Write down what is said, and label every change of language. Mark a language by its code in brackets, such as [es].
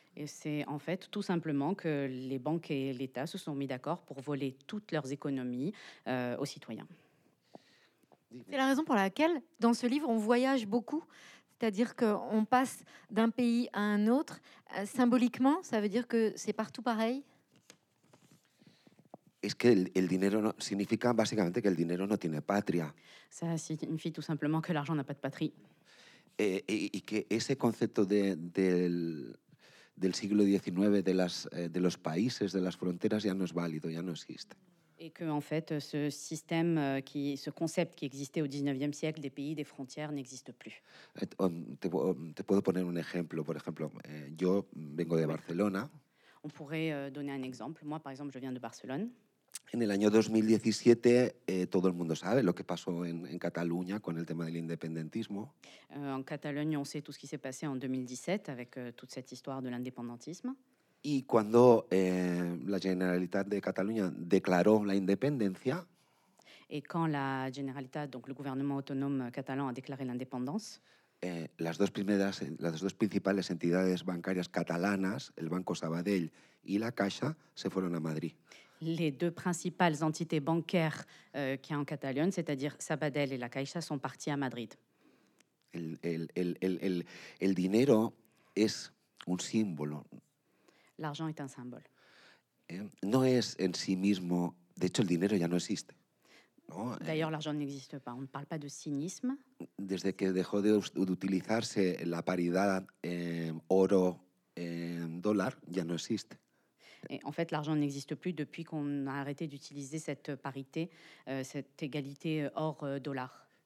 [fr] Et c'est en fait tout simplement que les banques et l'État se sont mis d'accord pour voler toutes leurs économies aux citoyens. C'est la raison pour laquelle dans ce livre on voyage beaucoup. C'est-à-dire qu'on passe d'un pays à un autre. Symboliquement, ça veut dire que c'est partout pareil. [es] Es que el dinero no, significa básicamente que el dinero no tiene patria. [fr] Ça signifie tout simplement que l'argent n'a pas de patrie. [es] Y que ese concepto del siglo XIX de los países, de las fronteras, ya no es válido, ya no existe. [fr] Et que en fait, ce système, ce concept qui existait au XIXe siècle des pays, des frontières, n'existe plus. [es] Te puedo poner un ejemplo. Por ejemplo, yo vengo de Barcelona. [fr] On pourrait donner un exemple. Moi, par exemple, je viens de Barcelone. [es] En el año 2017, todo el mundo sabe lo que pasó en Cataluña con el tema del independentismo. [fr] En Cataluña, on sait tout ce qui s'est passé en 2017 avec toute cette histoire de l'indépendantisme. [es] Y cuando la Generalitat de Cataluña declaró la independencia. [fr] Et quand la Generalitat, donc le gouvernement autonome catalan, a déclaré l'indépendance. [es] Las dos principales entidades bancarias catalanas, el Banco Sabadell y la Caixa, se fueron a Madrid. [fr] Les deux principales entités bancaires qu'il y a en Catalogne, c'est-à-dire Sabadell et la Caixa, sont partis à Madrid. [es] El dinero es un símbolo. [fr] L'argent est un symbole. [es] No es en sí mismo. De hecho, el dinero ya no existe. [fr] No, d'ailleurs, l'argent n'existe pas. On ne parle pas de cynisme. [es] Desde que dejó d'utilizarse la paridad oro dólar, ya no existe. [fr] Et en fait, l'argent n'existe plus depuis qu'on a arrêté d'utiliser cette parité, cette égalité or-dollar.